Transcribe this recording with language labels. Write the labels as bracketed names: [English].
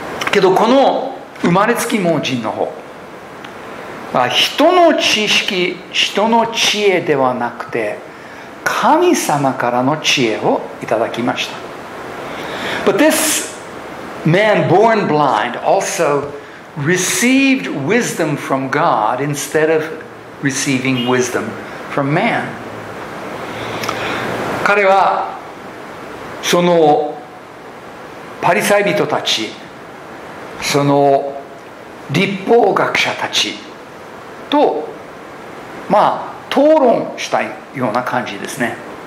[Japanese] けどこの生まれつき盲人の方、人の知識、人の知恵ではなくて神様からの知恵をいただきました。 [English] But this man born blind also received wisdom from God instead of receiving wisdom from man. [Japanese] 彼はそのパリサイ人たち、その立法学者たちと、討論したような感じですね。